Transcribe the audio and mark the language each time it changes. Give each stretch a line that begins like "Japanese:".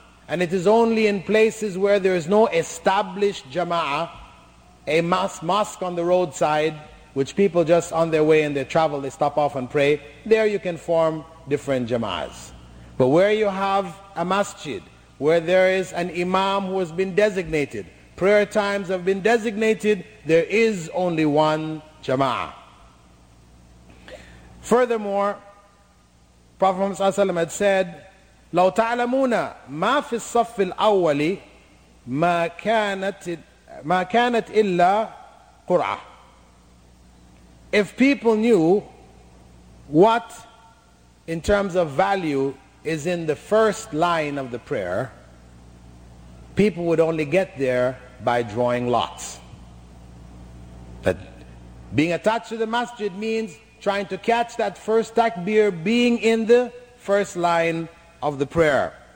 English: And it is only in places where there is no established jama'ah, a mosque on the roadside, which people just on their way and they travel, they stop off and pray. There you can form different jama'ahs. But where you have a masjid, where there is an imam who has been designated, prayer times have been designated, there is only one jama'ah. Furthermore, Prophet Muhammad ﷺ had said,
Arabic: لَوْ تَعْلَمُونَ مَا فِي الصَّفِّ الْأَوَّلِ مَا كَانَتْ إِلَّا قُرْعَةً.
English: If people knew what, in terms of value, is in the first line of the prayer, people would only get there by drawing lots. But being attached to the masjid means trying to catch that first takbir, being in the first line of the prayer.